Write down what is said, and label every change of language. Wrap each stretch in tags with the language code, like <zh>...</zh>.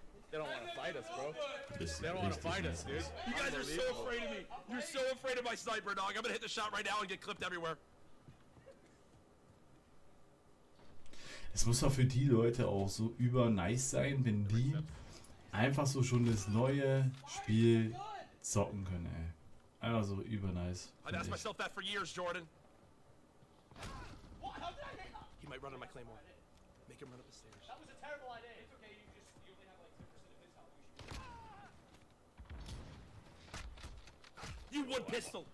<en>They don't want to fight us, bro. They don't want to fight us, dude. You guys are so afraid of me. You're so afraid of my sniper, dog. I'm gonna hit the shot right now and get clipped everywhere.</en> <de>Es muss auch für die Leute auch so über nice sein, wenn die einfach so schon das neue Spiel zocken können, ey. Einfach so über nice.</de> <en>I've asked myself that for years, Jordan. He might run on my claymore. Make him run up the stairs. That was a terrible idea. It's okay, you just you only have like 10% of his health. You would pistol!</en>